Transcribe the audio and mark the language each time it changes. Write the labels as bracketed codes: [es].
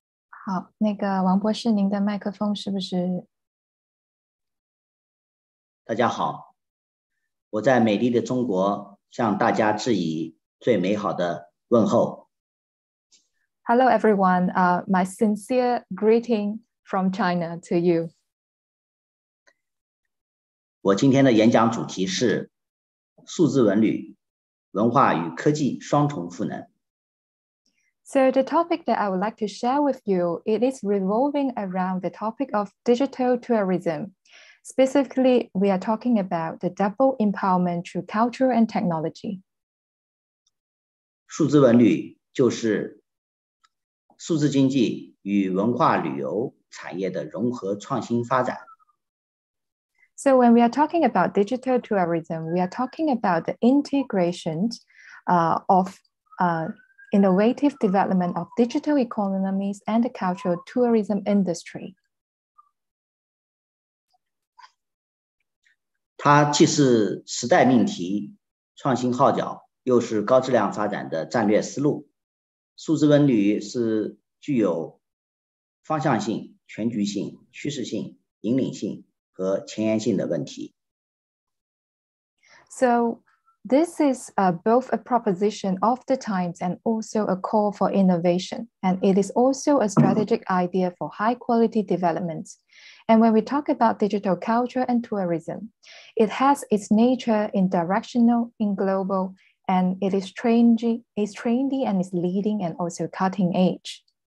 [zh] 好，那个王博士，您的麦克风是不是？大家好，我在美丽的中国向大家致以最美好的问候。 [en] Hello everyone, my sincere greeting from China to you. [zh] 我今天的演讲主题是数字文旅，文化与科技双重赋能。 [en] So the topic that I would like to share with you, it is revolving around the topic of digital tourism. Specifically, we are talking about the double empowerment through culture and technology. [zh] 数字文旅就是数字经济与文化旅游产业的融合创新发展。 [en] So when we are talking about digital tourism, we are talking about the integration of innovative development of digital economies and the cultural tourism industry. [zh] 它既是时代命题、创新号角，又是高质量发展的战略思路。数字文旅是具有方向性、全局性、趋势性、引领性和前沿性的问题。 [en] So this is both a proposition of the times and also a call for innovation. And it is also a strategic idea for high quality development. And when we talk about digital culture and tourism, it has its nature in directional, in global, and it is trendy, and is leading and also cutting edge.